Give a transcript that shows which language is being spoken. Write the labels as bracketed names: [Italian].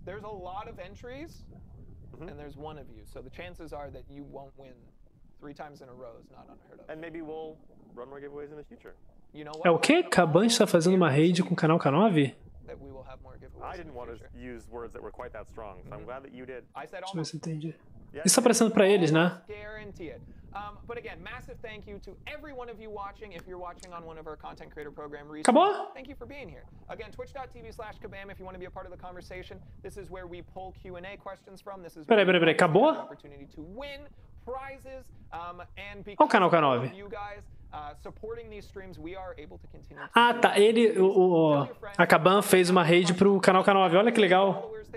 [English] There's a lot of entries, mm-hmm. and there's one of you. So the chances are that you won't win three times in a row is not unheard of. And maybe we'll run more giveaways in the future. You know what? [Portuguese] É o quê? Kabam está fazendo uma raid com o canal K9? [English] That we will have more giveaways. I didn't want to use words that were quite that strong, so mm-hmm. I'm glad that you did. I said [Portuguese] isso está aparecendo para eles, né? [English] Guaranteed. But again, massive thank you to every one of you watching. If you're watching on one of our content creator program recently, Kabam? Thank you for being here. Again, twitch.tv/Kabam if you want to be a part of the conversation. This is where we pull Q&A questions from. This is [Portuguese] peraí, Kabam? [English] Opportunity to win prizes. And [Portuguese] o canal K9. [English] You guys supporting these streams, we are able to continue. [Portuguese] Ah, tá. Ele, a Kabam fez uma raid pro canal K9. Olha que legal.